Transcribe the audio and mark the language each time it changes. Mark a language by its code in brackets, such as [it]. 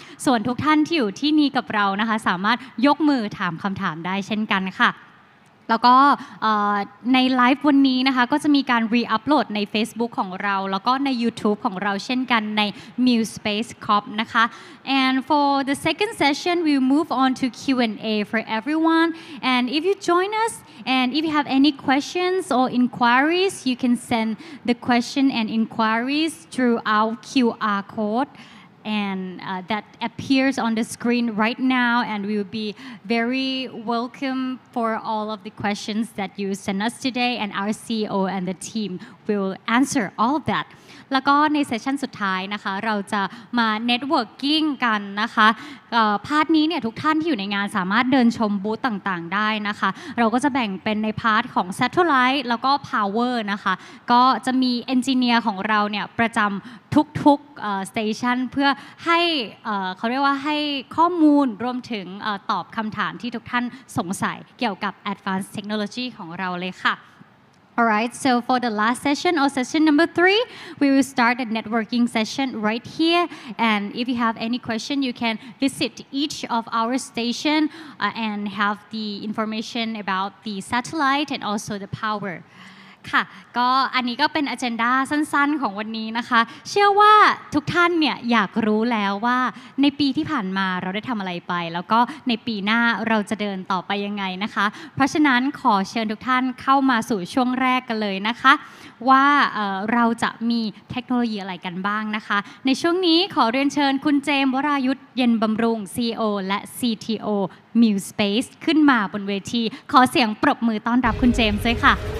[th] ส่วนทุกท่านที่อยู่ที่นี่กับเรานะคะสามารถยกมือถามคำถามได้เช่นกันค่ะแล้วก็ในไลฟ์วันนี้นะคะก็จะมีการรีอัปโหลดใน Facebook ของเราแล้วก็ใน YouTube ของเราเช่นกันใน Mill Space Corp นะคะ [en] And for the second session we move on to Q&A for everyone and if you join us and if you have any questions or inquiries you can send the question and inquiries through our QR code and that appears on the screen right now, and we will be very welcome for all of the questions that you send us today, and our CEO and the team will answer all of that. [th] แล้วก็ในเซสชันสุดท้ายนะคะเราจะมาเน็ตเวิร์กิ่งกันนะคะพาร์ทนี้เนี่ยทุกท่านที่อยู่ในงานสามารถเดินชมบูธต่างๆได้นะคะเราก็จะแบ่งเป็นในพาร์ทของ Satellite แล้วก็ Power นะคะก็จะมีเอนจิเนียร์ของเราเนี่ยประจำทุกๆสเตชันเพื่อให้เขาเรียกว่าให้ข้อมูลรวมถึงตอบคำถามที่ทุกท่านสงสัยเกี่ยวกับ Advanced Technology ของเราเลยค่ะ [en] Alright, so for the last session or session number 3, we will start a networking session right here. And if you have any question, you can visit each of our station and have the information about the satellite and also the power. [th] ค่ะก็อันนี้ก็เป็นอเจนดาสั้นๆของวันนี้นะคะเชื่อว่าทุกท่านเนี่ยอยากรู้แล้วว่าในปีที่ผ่านมาเราได้ทำอะไรไปแล้วก็ในปีหน้าเราจะเดินต่อไปยังไงนะคะเพราะฉะนั้นขอเชิญทุกท่านเข้ามาสู่ช่วงแรกกันเลยนะคะว่าเราจะมีเทคโนโลยีอะไรกันบ้างนะคะในช่วงนี้ขอเรียนเชิญคุณเจมส์วรายุทธเย็นบำรุง CEO และ CTO Mew Space ขึ้นมาบนเวทีขอเสียงปรบมือต้อนรับคุณเจมส์ด้วยค่ะ